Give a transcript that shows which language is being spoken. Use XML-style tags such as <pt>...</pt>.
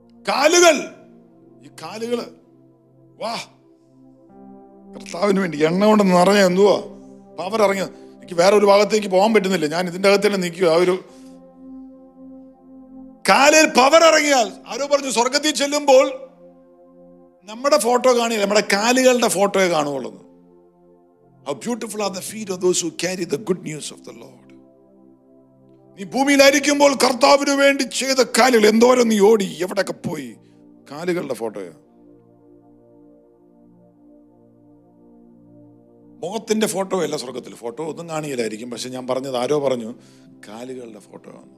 <ml>കാലുകൾ, ഈ കാലുകൾ, വാ, കർത്താവിന് വേണ്ടി എണ്ണ കൊണ്ട് നിറഞ്ഞ എന്തുവാ പവർ ഇറങ്ങി. എനിക്ക് വേറെ ഒരു ഭാഗത്തേക്ക് പോകാൻ പറ്റുന്നില്ല, ഞാൻ ഇതിന്റെ അകത്ത് തന്നെ നിൽക്കുക. ആ ഒരു കാലിൽ പവർ ഇറങ്ങിയാൽ, ആരോ പറഞ്ഞു സ്വർഗത്തിൽ ചെല്ലുമ്പോൾ നമ്മുടെ ഫോട്ടോ കാണില്ല, നമ്മുടെ കാലുകളുടെ ഫോട്ടോയെ കാണുള്ളൂ.</ml> <en>How beautiful are the feet of those who carry the good news of the Lord.</en> <ml>നീ ഭൂമിയിലായിരിക്കുമ്പോൾ കർത്താവിന് വേണ്ടി ചെയ്ത കാലുകൾ എന്തോരം നീ ഓടി, എവിടെയൊക്കെ പോയി, കാലുകളുടെ ഫോട്ടോയാ. മുഖത്തിന്റെ ഫോട്ടോ അല്ല സ്വർഗത്തിൽ, ഫോട്ടോ ഒന്നും കാണിയില്ലായിരിക്കും. പക്ഷെ ഞാൻ പറഞ്ഞത് ആരോ പറഞ്ഞു കാലുകളുടെ ഫോട്ടോ.</ml>